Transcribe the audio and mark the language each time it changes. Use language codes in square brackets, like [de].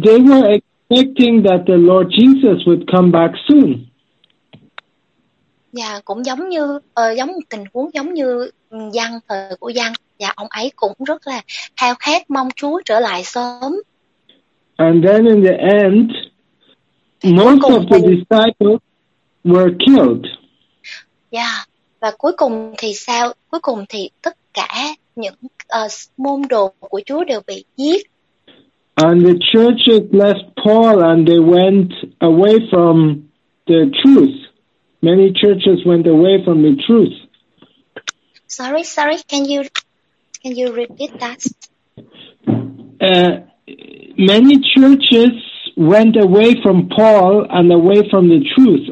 [en] They were expecting that the Lord Jesus would come back soon. [vi] Yeah, cũng giống như giống tình huống giống như Giăng, thời của Giăng. và ông ấy cũng rất là khao khát mong Chúa trở lại sớm. [en] And then in the end, most of the disciples were killed. [vi] Yeah. Và cuối cùng thì sao? Cuối cùng thì tất cả những môn đồ của Chúa đều bị giết. [en] And the churches left Paul and they went away from the truth. Many churches went away from the truth. Sorry, can you repeat that? Many churches went away from Paul and away from the truth.